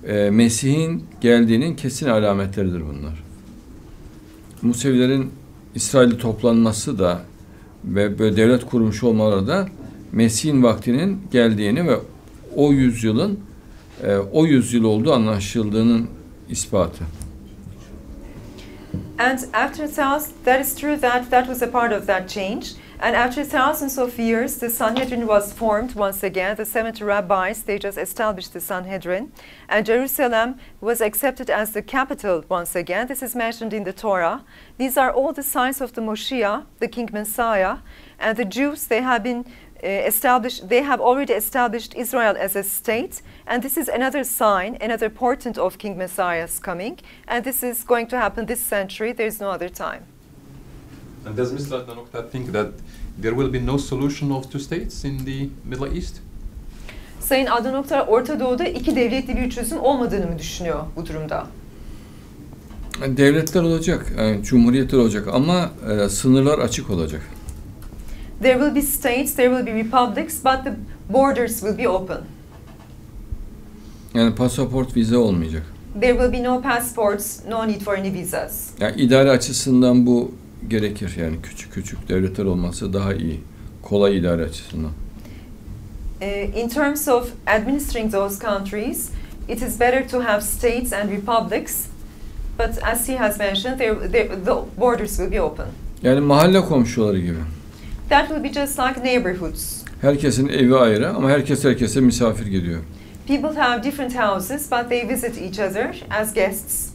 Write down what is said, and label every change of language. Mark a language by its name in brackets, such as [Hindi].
[Turkish] Mesih'in geldiğinin kesin alametleridir bunlar. Musevilerin İsrail'de toplanması da ve böyle devlet kurmuş olmaları da Mesih'in vaktinin geldiğini ve o yüzyılın o yüzyıl olduğu anlaşıldığının ispatı. [English] And after thousands, that is true that was a part of that change. And after thousands of years, the Sanhedrin was formed once again. The 70 rabbis, they just established the Sanhedrin. And Jerusalem was accepted as the capital once again. This is mentioned in the Torah. These are all the signs of the Moshiach, the King Messiah. And the Jews, they have been established, they have already established Israel as a state. And this is another sign, another portent of King Messiah's coming. And this is going to happen this century. There is no other time. And does Mr. Adnan Oktar think that there will be no solution of two states in the Middle East? [Turkish] Sayın Adnan Oktar, Orta Doğu'da iki devletli bir çözüm olmadığını mı düşünüyor bu durumda? Devletler olacak, cumhuriyetler olacak ama sınırlar açık olacak. [English] There will be states, there will be republics, but the borders will be open. [Turkish] Yani pasaport, vize olmayacak. [English] There will be no passports, no need for any visas. [Turkish] Yani idare açısından bu gerekir, yani küçük devletler olması daha iyi, kolay idare açısından. [English] In terms of administering those countries, it is better to have states and republics, but as he has mentioned, the borders will be open. [Turkish] Yani mahalle komşuları gibi. [English] That will be just like neighborhoods. [Turkish] Herkesin evi ayrı ama herkes herkese misafir geliyor. [English] People have different houses, but they visit each other as guests.